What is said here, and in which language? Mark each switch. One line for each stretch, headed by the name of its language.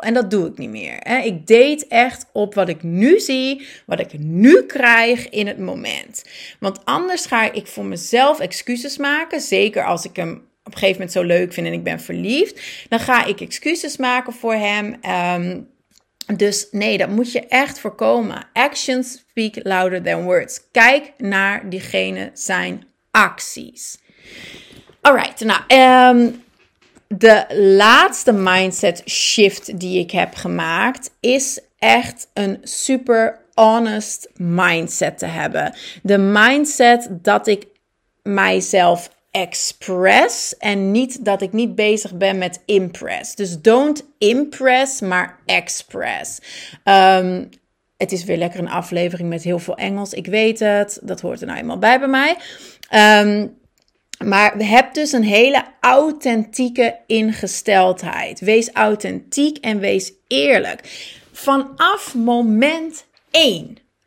Dutch: En dat doe ik niet meer. Ik deed echt op wat ik nu zie, wat ik nu krijg in het moment. Want anders ga ik voor mezelf excuses maken. Zeker als ik hem op een gegeven moment zo leuk vind en ik ben verliefd, dan ga ik excuses maken voor hem. Dus nee, dat moet je echt voorkomen.
English: Actions speak louder than words.
Dutch: Kijk naar diegene zijn acties. Alright, nou, de laatste mindset shift die ik heb gemaakt is echt een super honest mindset te hebben. De mindset dat ik mijzelf express en niet dat ik niet bezig ben met impress. Dus
English: don't impress,
Dutch: maar express. Het is weer lekker een aflevering met heel veel Engels. Ik weet het, dat hoort er nou eenmaal bij mij. Maar heb dus een hele authentieke ingesteldheid. Wees authentiek en wees eerlijk. Vanaf moment 1.